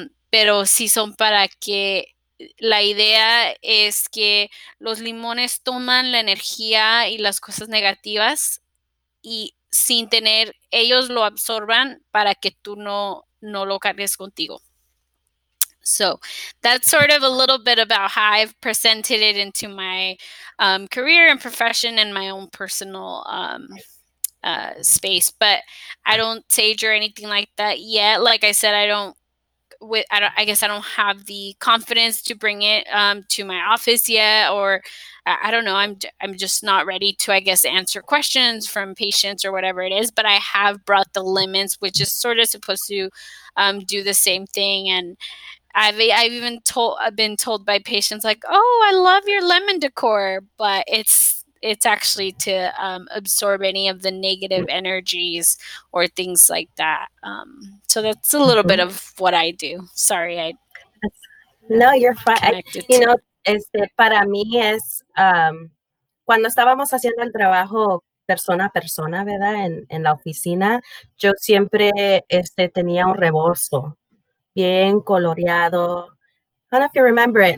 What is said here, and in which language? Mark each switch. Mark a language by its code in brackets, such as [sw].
[es] pero sí son para que la idea es que los limones toman la energía y las cosas negativas y sin tener, ellos lo absorban para que tú no lo cargues contigo. [en] So that's sort of a little bit about how I've presented it into my career and profession and my own personal space. But I don't sage or anything like that yet. Like I said, I don't have the confidence to bring it to my office yet, or I don't know. I'm just not ready to, I guess, answer questions from patients or whatever it is. But I have brought the lemons, which is sort of supposed to do the same thing. And I've been told by patients like, "Oh, I love your lemon decor," but it's actually to absorb any of the negative energies or things like that. So that's a little bit of what I do. Sorry, No, you're fine. [es] Para mí es cuando estábamos haciendo el trabajo persona a persona, ¿verdad? En la oficina, yo siempre tenía un rebozo bien coloreado. I don't know if you remember it.